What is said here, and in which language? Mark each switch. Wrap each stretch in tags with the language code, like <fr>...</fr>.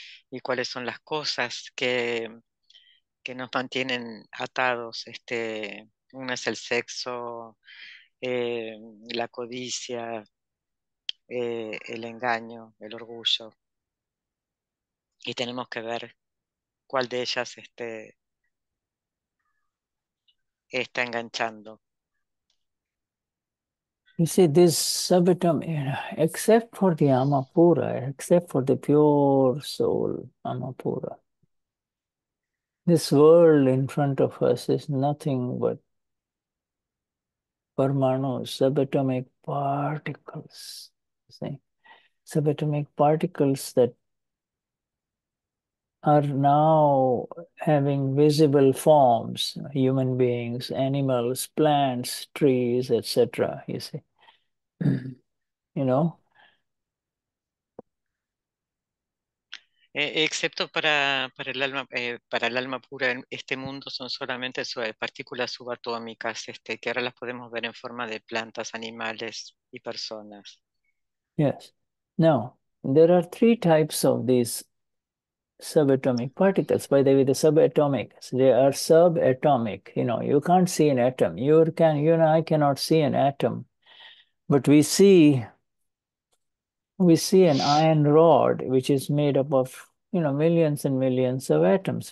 <es>Y cuáles son las cosas que nos mantienen atados, uno es el sexo, la codicia, el engaño, el orgullo, y tenemos que ver cuál de ellas está enganchando.</es> <en>You see, this subatomic, except for the amapura, except for the pure soul amapura, this world in front of us is nothing but Paranoo subatomic particles. See, subatomic particles that are now having visible forms, human beings, animals, plants, trees, etc. You see, you know.</en> <es>Excepto para el alma pura, en este mundo son solamente partículas subatómicas, que ahora las podemos ver en forma de plantas, animales y personas.</es> <en>Yes. Now, there are three types of these subatomic particles. By the way, the subatomic, so they are subatomic. You know, you can't see an atom. I cannot see an atom. But we see an iron rod, which is made up of, you know, millions and millions of atoms.</en>